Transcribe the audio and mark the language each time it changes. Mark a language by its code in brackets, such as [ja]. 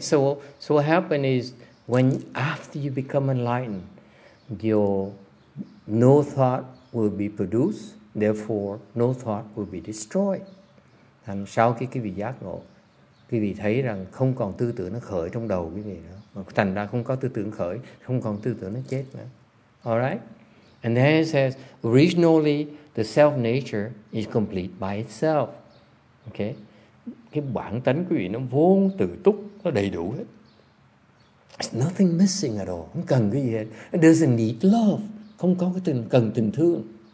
[en] So what happened is, when after you become enlightened, your no thought will be produced. Therefore, no thought will be destroyed. [vi] Thành sau khi cái vị giác ngộ, quý vị thấy rằng không còn tư tưởng nó khởi trong đầu quý vị nữa. Thành ra không có tư tưởng khởi, không còn tư tưởng nó chết nữa. [en] All right. And then it says, originally the self nature is complete by itself. Okay. [vi] Cái bản tánh quý vị nó vốn tự túc, nó đầy đủ hết. [en] It's nothing missing at all. [vi] Không cần cái gì hết. [en] It doesn't need love. [vi] Không có cái cần tình thương.